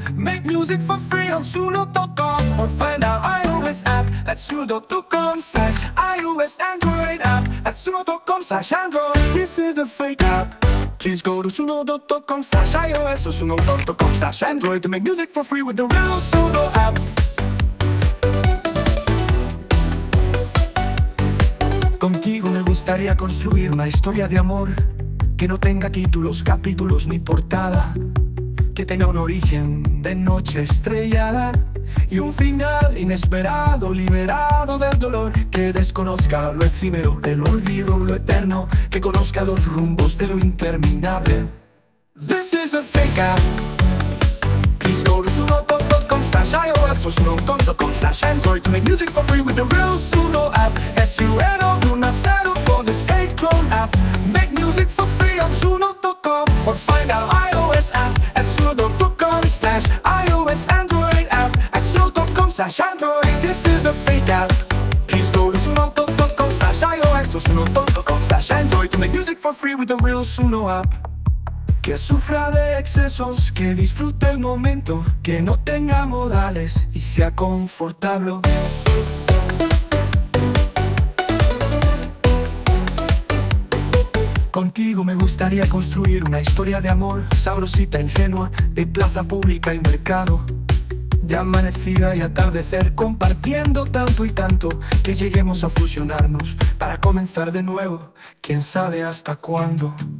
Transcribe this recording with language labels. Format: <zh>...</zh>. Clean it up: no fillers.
<en>Make music for free on sumo.com or find our iOS app at sumo.com/ios/android app at sumo.com/android. This is a fake app. Please go to sumo.com/ios/sumo.com/android to make music for free with the real Suno app.</en> <es>Contigo me gustaría construir una historia de amor que no tenga títulos, capítulos ni portada, que tenga un origen de noche estrellada y un final inesperado, liberado del dolor, que desconozca lo efímero, del olvido, lo eterno, que conozca los rumbos de lo interminable.</es> <en>This is a fake app. Please go to sumo.com/ios/sumo.com/android to make music for free with the real Suno app. Suno, do not settle for this fake clone app. Make music for free on sumo.com or find our iOS app at sumo.com/ios/android app at sumo.com/android. This is a fake app. Please go to sumo.com/ios/sumo.com/android to make music for free with the real Suno app.</en> <es>Que sufra de excesos, que disfrute el momento, que no tenga modales y sea confortable. Contigo me gustaría construir una historia de amor, sabrosita, ingenua, de plaza pública y mercado, de amanecida y atardecer, compartiendo tanto y tanto, que lleguemos a fusionarnos para comenzar de nuevo, quién sabe hasta cuándo.</es>